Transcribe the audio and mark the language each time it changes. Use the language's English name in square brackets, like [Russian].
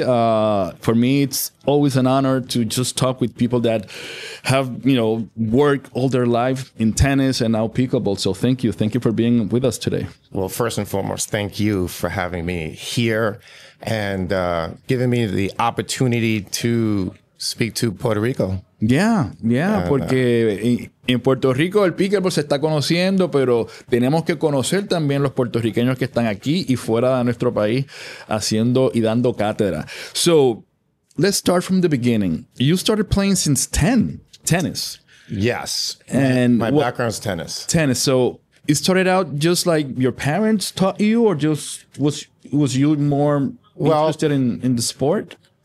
[English] For me, it's always an honor to just talk with people that have, you know, worked all their life in tennis and now pickleball. So thank you. Thank you for being with us today. Well, first and foremost, thank you for having me here and giving me the opportunity to speak to Puerto Rico. [Spanish] Yeah, porque en Puerto Rico el pickleball se está conociendo, pero tenemos que conocer también los puertorriqueños que están aquí y fuera de nuestro país haciendo y dando cátedra. [English] So, let's start from the beginning. You started playing since 10, tennis. Yes, and my background is tennis. Tennis, so it started out just like your parents taught you or just was you more interested in the sport?